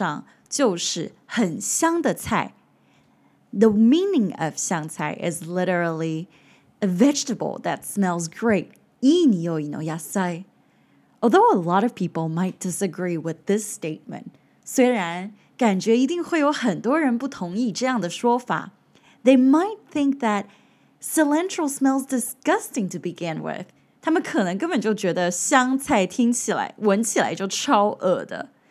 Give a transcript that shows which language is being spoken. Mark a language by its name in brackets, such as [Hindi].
[Chinese] 香菜的意思基本上就是很香的菜。 [English] The meaning of 香菜 is literally a vegetable that smells great. [Japanese] いい匂いの野菜. [English] Although a lot of people might disagree with this statement, [Chinese] 虽然感觉一定会有很多人不同意这样的说法, [English] they might think that cilantro smells disgusting to begin with. [Chinese] 他们可能根本就觉得香菜听起来闻起来就超恶的.